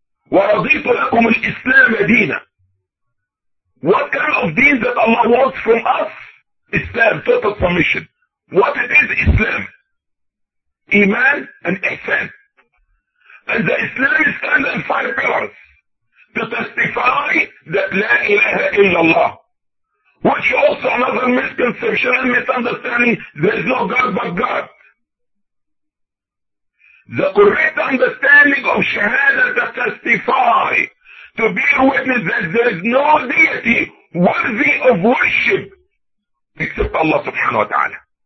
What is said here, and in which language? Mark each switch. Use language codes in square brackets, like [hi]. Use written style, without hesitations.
[ar] وَرَضِيْتُ لَكُمُ الْإِسْلَامَ دِينَ. [en] What kind of deen that Allah wants from us? Islam, total submission. What it is Islam? Iman and Ihsan. And the Islam is stand on five pillars. To testify that [ar] لا إله إلا الله. [en] Which also another misconception and misunderstanding, there is no God but God. The correct understanding of Shahada to testify, to be a witness that there is no deity worthy of worship except Allah subhanahu wa ta'ala.